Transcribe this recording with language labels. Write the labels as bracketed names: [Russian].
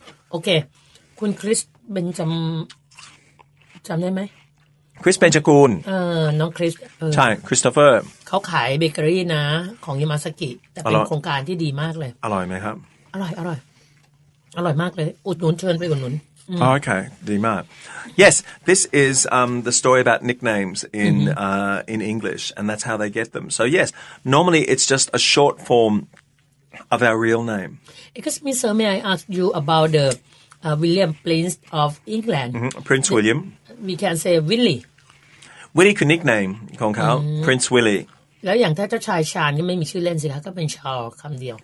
[Thai] โอเคคุณ Chris เป็นจำได้ไหม Chris เป็นจักรูล น้อง Chris ใช่ Christopher เขาขายเบเกอรี่นะของยามาซากิแต่เป็นโครงการที่ดีมากเลย อร่อยไหมครับ อร่อยมากเลยอุดหนุนเชิญไปอุดหนุน โอเคดีมาก [English] yes this is the story about nicknames in in English and that's how they get them so yes normally it's just a short form of our real name excuse me sir may I ask you about the William Prince of England Prince William we can say Willie [Thai] คือ nickname ของเขา Prince Willie แล้วอย่างถ้าเจ้าชายชาญก็ไม่มีชื่อเล่นสิคะก็เป็นชาร์ลคำเดียว